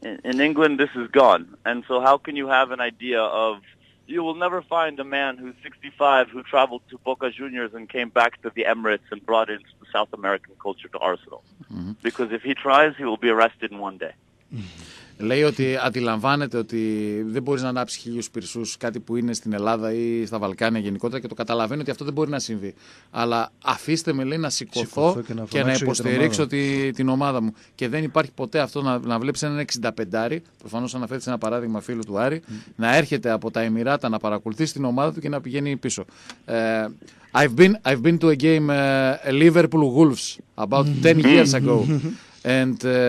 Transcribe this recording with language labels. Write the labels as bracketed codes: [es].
[en] In England, this is gone. And so how can you have an idea of, you will never find a man who's 65 who traveled to Boca Juniors and came back to the Emirates and brought in South American culture to Arsenal. Because if he tries, he will be arrested in one day. [el] Λέει ότι αντιλαμβάνεται ότι δεν μπορεί να ανάψει χίλιου πυρσού κάτι που είναι στην Ελλάδα ή στα Βαλκάνια γενικότερα και το καταλαβαίνει ότι αυτό δεν μπορεί να συμβεί. Αλλά αφήστε με, λέει, να σηκωθώ και να υποστηρίξω την ομάδα μου. Και δεν υπάρχει ποτέ αυτό να βλέπει έναν 65άρη, προφανώς αναφέρεται σε ένα παράδειγμα φίλου του Άρη, να έρχεται από τα Εμιράτα να παρακολουθήσει την ομάδα του και να πηγαίνει πίσω. [en] I've been to a game Liverpool Wolves about 10 years ago. And.